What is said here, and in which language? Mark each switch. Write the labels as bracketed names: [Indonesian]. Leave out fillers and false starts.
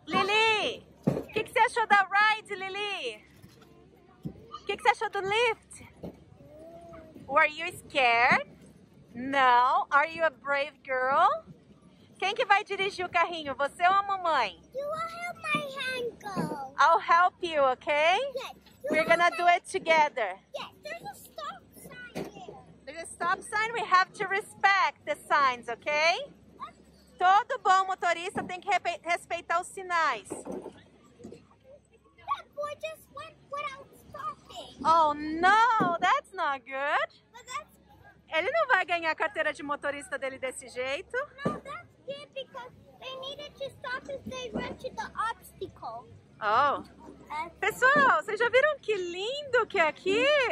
[Portuguese] Lily, o que você achou da ride, Lily? O que você achou do lift? [English] Were you scared? No. Are you a brave girl? [Portuguese] Quem que vai dirigir o carrinho, você ou a mamãe? [English] You will help my hand go. I'll help you, okay? Yes. We're gonna do it together. Yes, there's a stop sign here. There's a stop sign? We have to respect the signs, okay? [Portuguese] Todo bom motorista tem que respeitar os sinais. [English] That boy just went without stopping. Oh, no, that's not good. But that's... [Portuguese] Ele não vai ganhar a carteira de motorista dele desse jeito. [English] No, that's good because they needed to stop if they run to the obstacle. [Portuguese] Oh, pessoal, vocês já viram que lindo que é aqui?